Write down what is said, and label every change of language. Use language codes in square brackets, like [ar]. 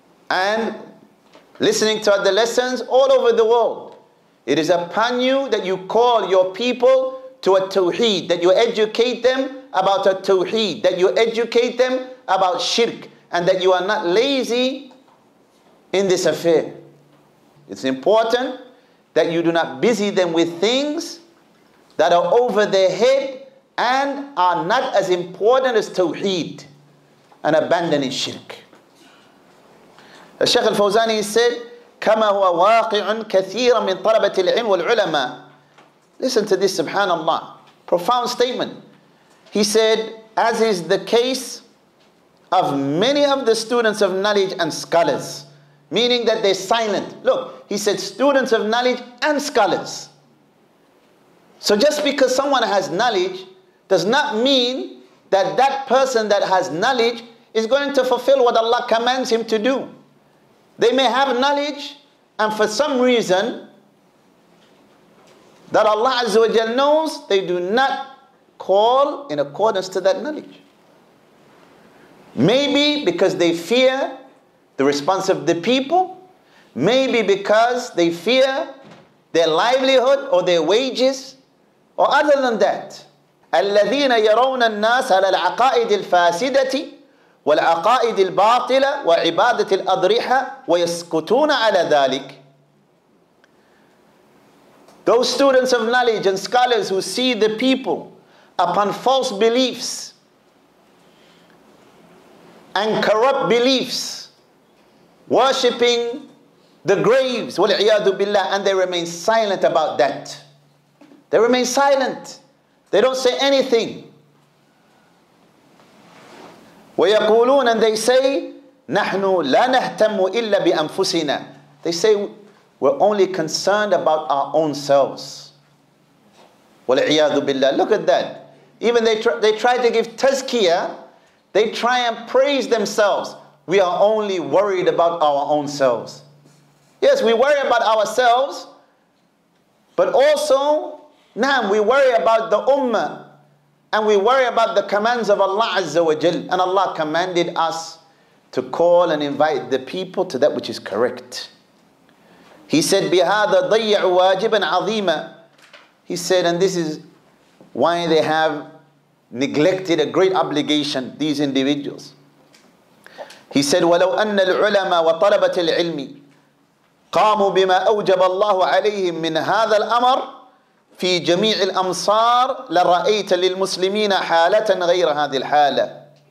[en] And listening to the lessons all over the world, it is upon you that you call your people to a tawheed, that you educate them about a tawheed, that you educate them about shirk, and that you are not lazy in this affair. It's important that you do not busy them with things that are over their head and are not as important as tawheed and abandoning shirk. [ar] الشيخ الفوزاني [en] said, [ar] كما هو واقع كثيرا من طلبة العلم والعلماء. [en] Listen to this, subhanAllah. Profound statement. He said, as is the case of many of the students of knowledge and scholars, meaning that they're silent. Look, he said students of knowledge and scholars. So just because someone has knowledge does not mean that that person that has knowledge is going to fulfill what Allah commands him to do. They may have knowledge, and for some reason that Allah Azza wa Jal knows, they do not call in accordance to that knowledge. Maybe because they fear the response of the people, maybe because they fear their livelihood or their wages, or other than that. [ar] الَّذِينَ يَرَوْنَ النَّاسَ عَلَى الْعَقَائِدِ الْفَاسِدَةِ والعقائد الباطلة وعبادة الأضرحة ويسكتون على ذلك. [en] Those students of knowledge and scholars who see the people upon false beliefs and corrupt beliefs, worshipping the graves, [ar] والعياذ بالله, [en] and they remain silent about that. They remain silent They don't say anything. [ar] ويقولون, [en] and they say, [ar] نحن لا نهتم إلا بأنفسنا. [en] They say, we're only concerned about our own selves. [ar] والعياذ بالله. [en] Look at that. Even they try to give tazkiyah, they try and praise themselves. We are only worried about our own selves. Yes, we worry about ourselves, but also, نعم, we worry about the ummah, and we worry about the commands of Allah Azza wa Jal. And Allah commanded us to call and invite the people to that which is correct. He said, [ar] بِهَذَا ضَيَّعُ وَاجِبًا عَظِيمًا. [en] He said, and this is why they have neglected a great obligation, these individuals. He said, [ar] وَلَوْ أَنَّ الْعُلَمَ وَطَلَبَةِ الْعِلْمِ قَامُوا بِمَا أَوْجَبَ اللَّهُ عَلَيْهِمْ مِنْ هَذَا الْأَمَرِ فِي جَمِيعِ الْأَمْصَارِ لَرَأَيْتَ لِلْمُسْلِمِينَ حَالَةً غَيْرَ هَذِي الْحَالَةِ.